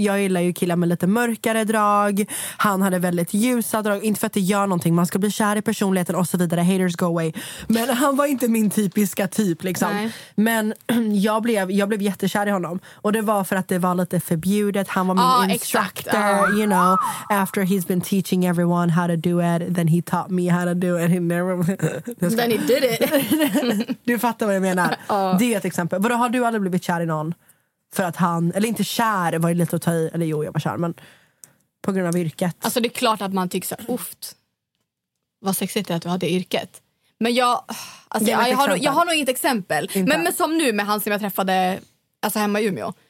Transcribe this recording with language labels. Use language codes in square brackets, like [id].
[sv] Jag gillar ju killar med lite mörkare drag. Han hade väldigt ljusa drag. Inte för att det gör någonting. Man ska bli kär i personligheten och så vidare. [en] Haters go away. [sv] Men han var inte min typiska typ liksom. Nej. Men jag blev jättekär i honom. Och det var för att det var lite förbjudet. Han var min instructor. Exakt. [en] You know. After he's been teaching everyone how to do it. Then he taught me how to do it. He never... Then he did it. [sv] Du fattar vad jag menar. Det är ett exempel. Vadå, har du aldrig blivit kär i någon för att han, eller inte kär var ju lite att ta i, eller jo jag var kär, men på grund av yrket. Alltså det är klart att man tycker så här, oft, vad sexigt är att du har det yrket. Men jag, alltså, jag har nog inget exempel. Men som nu med han som jag träffade, alltså hemma i Umeå.